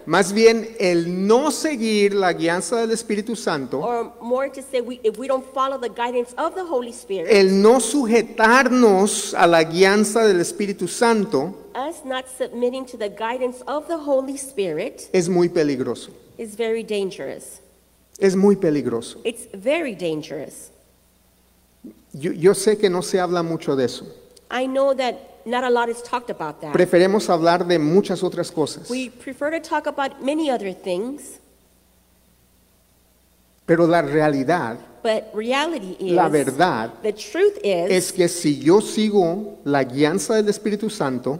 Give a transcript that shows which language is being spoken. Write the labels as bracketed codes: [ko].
[es] Más bien el no seguir la guianza del Espíritu Santo. [en] Or more to say, if we don't follow the guidance of the Holy Spirit. [es] El no sujetarnos a la guianza del Espíritu Santo. [en] Us not submitting to the guidance of the Holy Spirit. [es] Es muy peligroso. [en] Is very dangerous. [es] Es muy peligroso. [en] It's very dangerous. [es] Yo sé que no se habla mucho de eso. [en] I know that not a lot is talked about that. [es] Preferemos hablar de muchas otras cosas. [en] We prefer to talk about many other things. [es] Pero la realidad, [en] but reality is, [es] la verdad, [en] the truth is, [es] es que si yo sigo la guianza del Espíritu Santo,